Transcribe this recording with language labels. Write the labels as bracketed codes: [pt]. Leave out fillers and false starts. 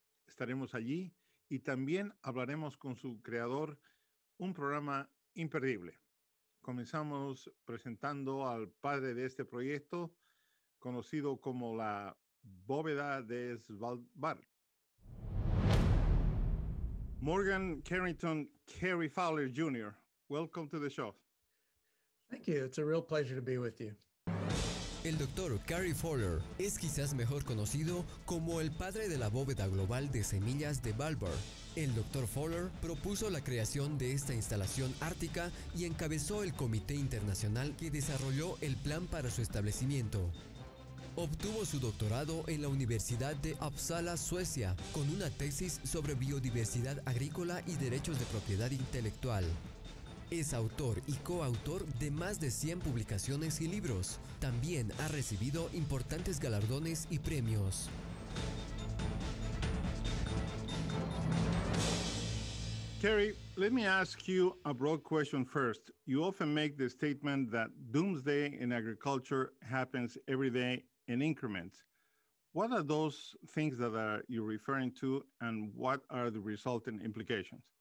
[es] Estaremos allí y también hablaremos con su creador, un programa imperdible. Comenzamos presentando al padre de este proyecto, conocido como la bóveda de Svalbard. [en] Morgan Carrington Cary Fowler Jr., welcome to the show. Thank you. It's a real pleasure to be with you. [es] El doctor Cary Fowler es quizás mejor conocido como el padre de la bóveda global de semillas de Svalbard. El doctor Fowler propuso la creación de esta instalación ártica y encabezó el comité internacional que desarrolló el plan para su establecimiento. Obtuvo su doctorado en la Universidad de Uppsala, Suecia, con una tesis sobre biodiversidad agrícola y derechos de propiedad intelectual. Es autor y coautor de más de 100 publicaciones y libros. También ha recibido importantes galardones y premios. [en] Cary, let me ask you a broad question first. You often make the statement that doomsday in agriculture happens every day in increments. What are those things that are you referring to, and what are the resulting implications?